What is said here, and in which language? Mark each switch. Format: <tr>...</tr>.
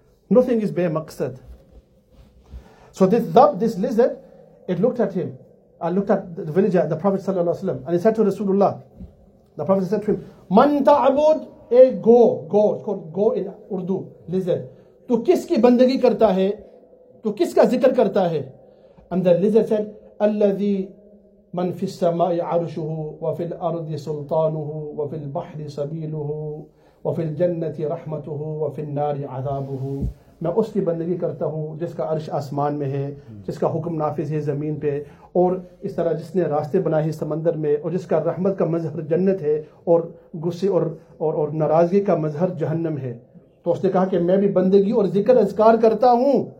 <en>Nothing is bare maqsad. So this lizard, it looked at him. I looked at the villager, the Prophet sallallahu alaihi wasallam, and he said to Rasulullah, the Prophet said to him,</en> <ar>Man ta'abud,</ar> <en>a go, it's called go in Urdu, lizard.</en> <ur>Tu kiski bandagi karta hai? Tu kiska zikr karta hai?</ur> <en>And the lizard said,</en> <ar>الذي من في السماء عرشه وفي الأرض سلطانه وفي البحر سبيله وفي الجنة رحمته وفي النار عذابه.</ar> <ur>میں اس کی بندگی کرتا ہوں جس کا عرش آسمان میں ہے, جس کا حکم نافذ ہے زمین پہ, اور اس طرح جس نے راستے بنائے ہیں سمندر میں, اور جس کا رحمت کا مظہر جنت ہے, اور غصے اور ناراضگی کا مظہر جہنم ہے. تو اس نے کہا کہ میں بھی بندگی اور ذکر اذکار کرتا ہوں.</ur>